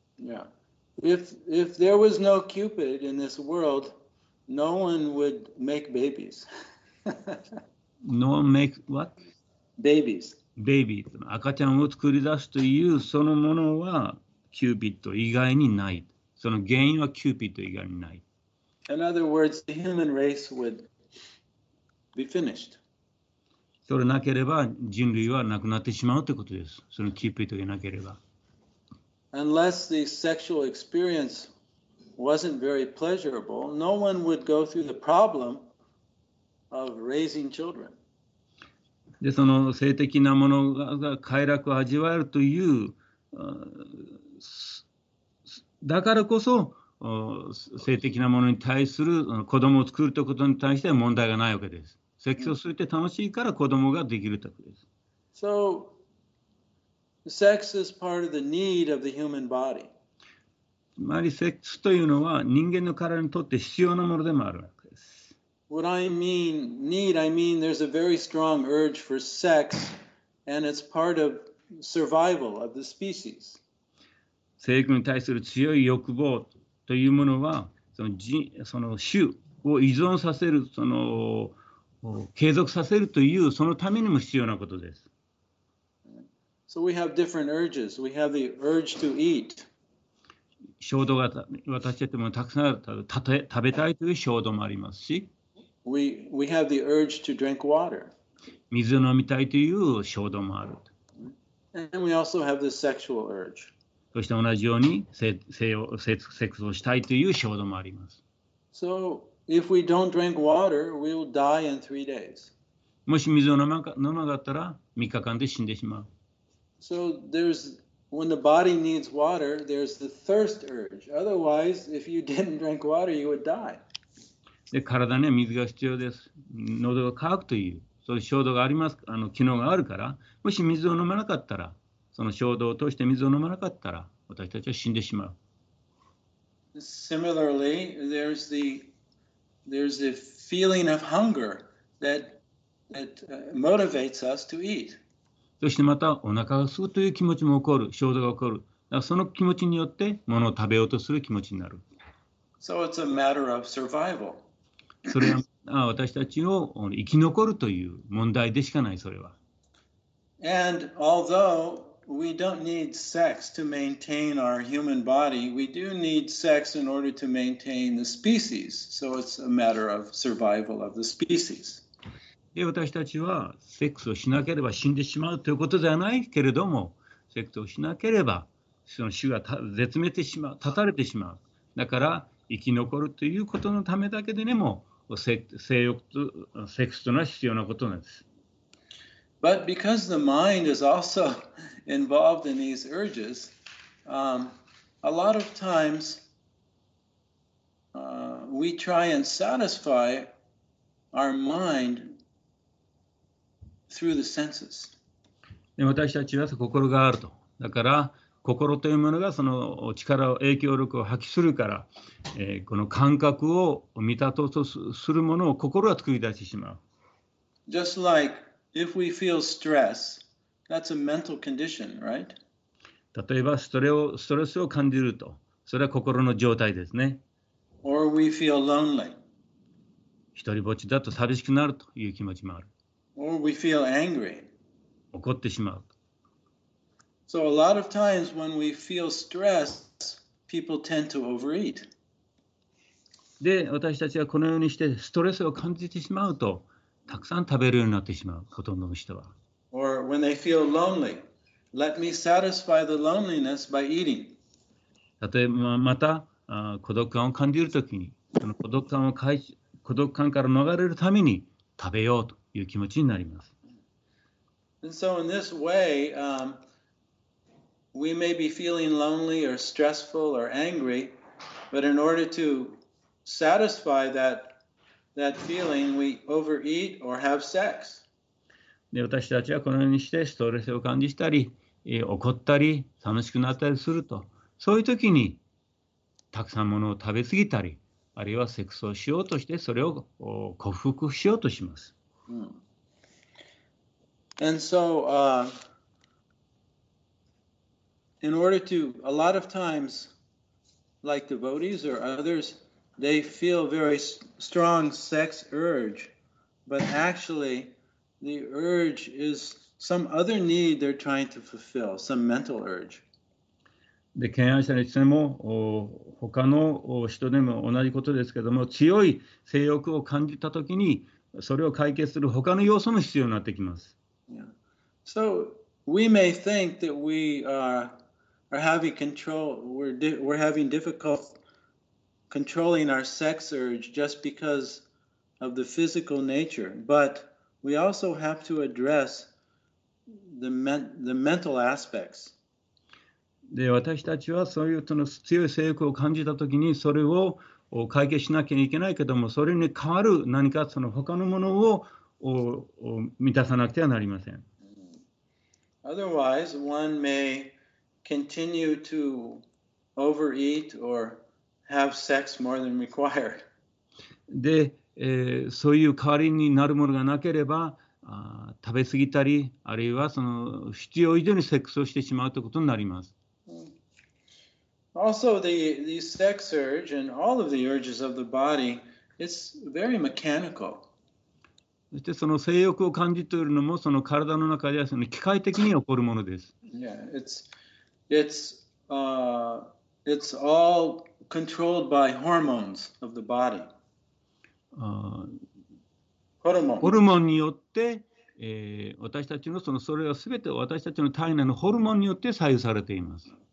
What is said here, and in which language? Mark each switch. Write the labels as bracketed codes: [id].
[en] Yeah. If there was no Cupid in this world, no one would make babies. No one make what? Babies. Babies. [ja] 赤ちゃんを作り出すというそのものはキューピッド以外にない。その原因はキューピッド以外にない。 [en] In other words, the human race would be finished. [ja] それなければ人類はなくなってしまうということです。そのキープイートがなければ。 [en] Unless the sexual experience wasn't very pleasurable, no one would go through the problem of raising children. [ja] で、その性的なものが快楽を味わえるという、だからこそ性的なものに対する子供を作るということに対しては問題がないわけです。セックスをするって楽しいから子供ができるということです。 [en] So, sex is part of the need of the human body. [ja] つまり、セックスというのは人間の体にとって必要なものでもあるわけです。 [en] What I mean, need, I mean there's a very strong urge for sex, and it's part of survival of the species. [ja] 性欲に対する強い欲望というものは、その種を依存させる、その継続させるというそのためにも必要なことです。 [en] So we have different urges. We have the urge to eat. [ja] 衝動が私たちもたくさんたとえ食べたいという衝動もありますし、 [en] we have the urge to drink water. [ja] 水を飲みたいという衝動もある。 [en] And we also have the sexual urge. [ja] そして同じように性セックスをしたいという衝動もあります。 [en] So,If we don't drink water, we will die in three days. [ja] もし水を飲まなかったら、3日間で死んでしまう。 [en] So there's, when the body needs water, there's the thirst urge. Otherwise, if you didn't drink water, you would die. [ja] で、体には水が必要です。喉が渇くという、そういう衝動があります、機能があるから、もし水を飲まなかったら、その衝動を通して水を飲まなかったら、私たちは死んでしまう。 [en] Similarly, there's theThere's a feeling of hunger that motivates us to eat. [ja] そしてまたお腹が空くという気持ちも起こる、衝動が起こる。だからその気持ちによって物を食べようとする気持ちになる。 [en] So it's a matter of survival. [ja] それは私たちを生き残るという問題でしかない、それは。 [en] And although we don't need sex to maintain our human body, we do need sex in order to maintain the species. So it's a matter of survival of the species. [ja] で、私たちはセックスをしなければ死んでしまうということではないけれども、セックスをしなければその種が絶滅してしまう、絶たれてしまう。だから生き残るということのためだけでも、セックスというのは必要なことなんです。 [en] But because the mind is also involved in these urges, a lot of times we try and satisfy our mind through the senses. [ja] で、私たちは心があると。だから心というものがその力を影響力を発揮するから、この感覚を満たそうとするものを心は作り出してしまう。 [en] Just like If we feel stress, that's a mental condition, right? [ja] 例えばストレスを感じると、それは心の状態ですね。 [en] Or we feel lonely. [ja] 一人ぼっちだと寂しくなるという気持ちもある。 [en] Or we feel angry. [ja] 怒ってしまう。 [en] So a lot of times when we feel stress, people tend to overeat. [ja] で、私たちはこのようにしてストレスを感じてしまうと、たくさん食べるようになってしまう、ほとんどの人は。 [en] Or when they feel lonely, let me satisfy the loneliness by eating. [ja] 例えばまた孤独感を感じるときに、その孤独感から逃れるために食べようという気持ちになります。 [en] And so in this way, we may be feeling lonely or stressful or angry, but in order to satisfy that feeling, we overeat or have sex. [ja] で、私たちはこのようにしてストレスを感じたり、怒ったり、寂しくなったりすると、そういう時にたくさんものを食べ過ぎたり、あるいはセックスをしようとして、それを克服しようとします。 Hmm. [en] And so, in order to, a lot of times, like devotees or others,They feel very strong sex urge, but actually the urge is some other need they're trying to fulfill, some mental urge. [ja] で、検案者にしても、他の人でも同じことですけども、強い性欲を感じたときに、それを解決する他の要素も必要になってきます。 [en] Yeah. So we may think that we are having control, we're having difficulty controlling our sex urge just because of the physical nature, but we also have to address the mental aspects. [ja] で、私たちはそういうとの強い性欲を感じたときにそれを解決しなきゃいけないけども、それに代わる何かその他のものを満たさなくてはなりません。 [en] Otherwise, one may continue to overeat or have sex more than required. [ja] で、そういう代わりになるものがなければ、食べ過ぎたり、あるいはその必要以上にセックスをしてしまうということになります。 [en] Also, the sex urge and all of the urges of the body, it's very mechanical. [ja] そしてその性欲を感じているのもその体の中ではその機械的に起こるものです。 [en] Yeah, it's all controlled by hormones of the body. [ja] ホルモンによって、私たちのそのそれはすべて私たちの体内のホルモンによって左右されています。